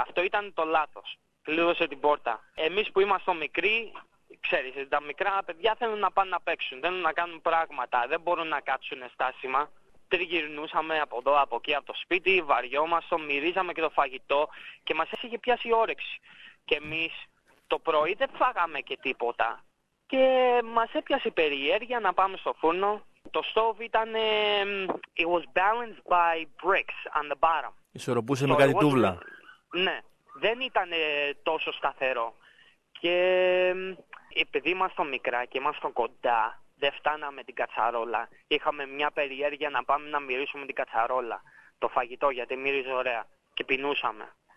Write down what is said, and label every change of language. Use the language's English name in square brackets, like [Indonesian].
[Greek] Αυτό ήταν το λάθος. Κλείδωσε την πόρτα. Εμείς που είμαστε μικροί, ξέρεις, τα μικρά παιδιά θέλουν να πάνε να παίξουν, θέλουν να κάνουν πράγματα, δεν μπορούν να κάτσουν στάσιμα. Τριγυρνούσαμε από εδώ, από εκεί, από το σπίτι, βαριόμαστε, μυρίζαμε και το φαγητό και μας είχε πιάσει η όρεξη. Και εμείς το πρωί δεν φάγαμε και τίποτα. Και μας έπιασε η περιέργεια να πάμε στο φούρνο. Το στόβι ήταν... [English] It was balanced by bricks on the bottom. [Greek] Ισορροπούσε με κάτι τούβλα. Ναι, δεν ήταν τόσο σταθερό. Και επειδή ήμασταν μικρά και ήμασταν κοντά, δεν φτάναμε την κατσαρόλα. Είχαμε μια περιέργεια να πάμε να μυρίσουμε την κατσαρόλα, το φαγητό, γιατί μύριζε ωραία. Και πεινούσαμε.